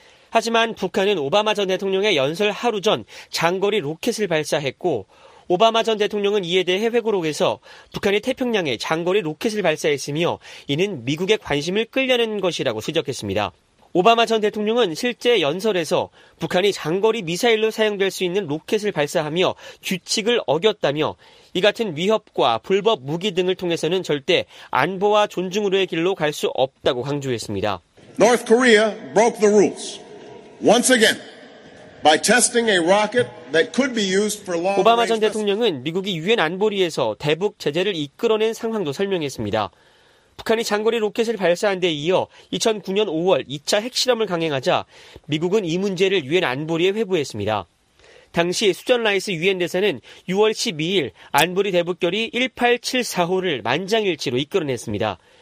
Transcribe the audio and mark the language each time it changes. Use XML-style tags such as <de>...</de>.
<ko>하지만 북한은 오바마 전 대통령의 연설 하루 전 장거리 로켓을 발사했고 오바마 전 대통령은 이에 대해 회고록에서 북한이 태평양에 장거리 로켓을 발사했으며 이는 미국의 관심을 끌려낸 것이라고 지적했습니다. 오바마 전 대통령은 실제 연설에서 북한이 장거리 미사일로 사용될 수 있는 로켓을 발사하며 규칙을 어겼다며 이 같은 위협과 불법 무기 등을 통해서는 절대 안보와 존중으로의 길로 갈 수 없다고 강조했습니다.</ko> <en>North Korea broke the rules once again by testing a rocket that could be used for long-range.</en> <ko>오바마 전 대통령은 미국이 유엔 안보리에서 대북 제재를 이끌어낸 상황도 설명했습니다. 북한이 장거리 로켓을 발사한 데 이어 2009년 5월 2차 핵실험을 강행하자 미국은 이 문제를 유엔 안보리에 회부했습니다. 당시 수전 라이스 유엔 대사는 6월 12일 안보리 대북결의 1874호를 만장일치로 이끌어냈습니다.</ko>